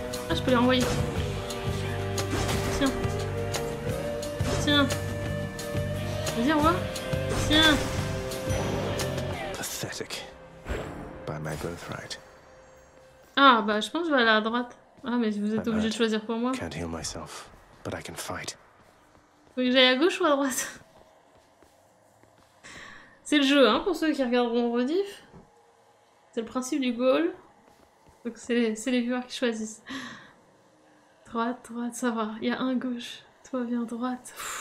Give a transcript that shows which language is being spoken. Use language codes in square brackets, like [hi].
[fr] Ah, je peux les renvoyer. Tiens. Tiens. Vas-y, au revoir. Tiens. [en] Pathetic. By my birthright. [fr] Ah, bah, je pense que je vais aller à droite. Ah, mais vous êtes obligé de choisir pour moi. [en] I can't heal myself, but I can fight. [fr] Faut que j'aille à gauche ou à droite? C'est le jeu, hein, pour ceux qui regarderont Rediff. C'est le principe du goal. Donc c'est les viewers qui choisissent. Droite, droite, ça va. Il y a un gauche. Toi, viens droite.